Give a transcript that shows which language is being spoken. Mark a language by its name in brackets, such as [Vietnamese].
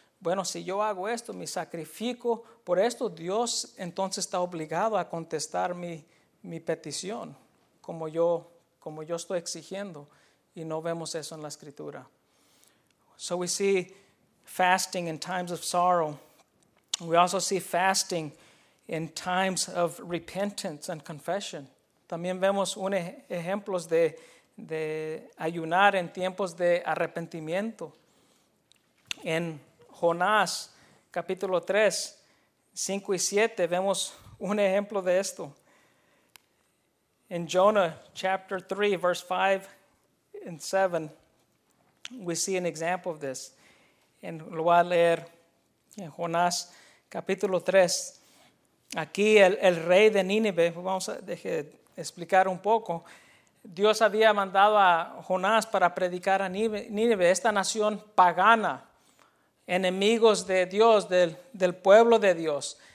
[Spanish] Bueno, si yo hago esto, me sacrifico por esto, Dios entonces está obligado a contestar mi petición, como yo estoy exigiendo. Y no vemos eso en la escritura. [English] So we see fasting in times of sorrow. We also see fasting in times of repentance and confession. [Spanish] También vemos ejemplos de ayunar en tiempos de arrepentimiento. En Jonás, capítulo 3, 5 y 7, vemos un ejemplo de esto. [English] In Jonah, chapter 3, verse 5 and 7, we see an example of this. [Spanish] En lo voy a leer en Jonás, capítulo 3. Aquí el rey de Nínive, deje de explicar un poco. Dios había mandado a Jonás para predicar a Nínive, esta nación pagana, enemigos de Dios, del pueblo de Dios.